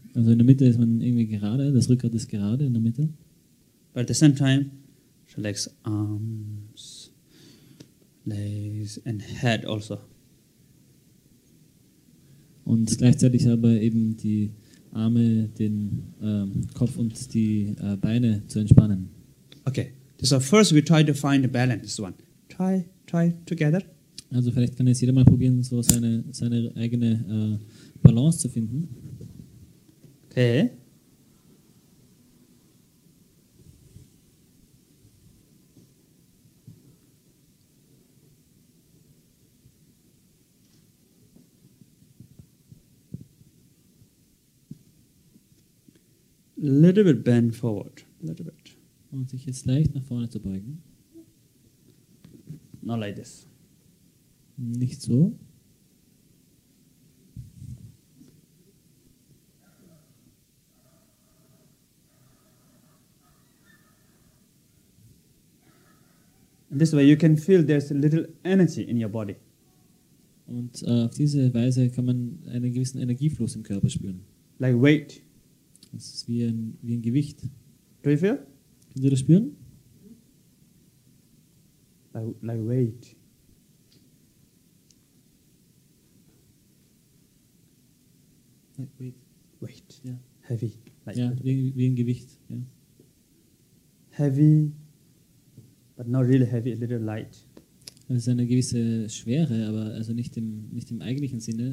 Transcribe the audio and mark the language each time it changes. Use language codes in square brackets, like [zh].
[de] Also in der Mitte ist man irgendwie gerade, das Rückgrat ist gerade in der Mitte. [en] But at the same time, relax arms, legs and head also. [de] Und gleichzeitig aber eben die Arme, den Kopf und die Beine zu entspannen. [en] Okay, so first we try to find a balance, this one. Try together. [de] Also vielleicht kann jetzt jeder mal probieren, so seine eigene Balance zu finden. [en] Okay. Little bit bend forward, little bit. [de] Und sich jetzt leicht nach vorne zu beugen. [en] Not like this. [de] Nicht so. [en] And this way you can feel there's a little energy in your body. [de] Und auf diese Weise kann man einen gewissen Energiefluss im Körper spüren. [en] Like weight. [de] Das ist wie ein Gewicht. [en] Do you feel? [de] Können Sie das spüren? [en] Like weight. Weight. Yeah. Heavy. [de] Like ja, wie ein Gewicht. Ja. [en] Heavy, but not really heavy, a little light. [de] Es ist eine gewisse Schwere, aber also nicht im eigentlichen Sinne.